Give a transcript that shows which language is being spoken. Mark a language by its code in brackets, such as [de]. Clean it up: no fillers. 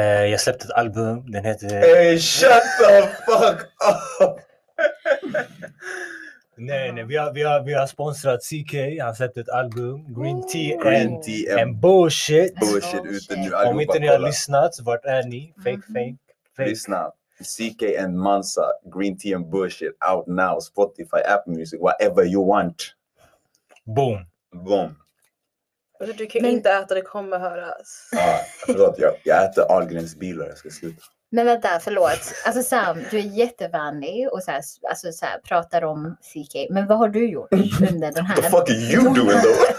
[sv] Jag släppte ett album, den heter... [en] Hey, shut the fuck up! [sv] Nej, vi har sponsrat CK, han släppte ett album, Green Tea and Bullshit. Bullshit ute nu. Om inte ni har lyssnat, vart är ni? [en] Fake. [sv] Lyssna. [en] CK and Mansa, Green Tea and Bullshit, out now, Spotify, Apple Music, whatever you want. Boom. [sv] Och du kan inte äta, det kommer höras. Förlåt, jag äter Algrens bilar, jag ska sluta. Men vänta, förlåt. Alltså Sam, du är jättevänlig och så här, pratar om CK. Men vad har du gjort under den här? [en] What the fuck are you doing though?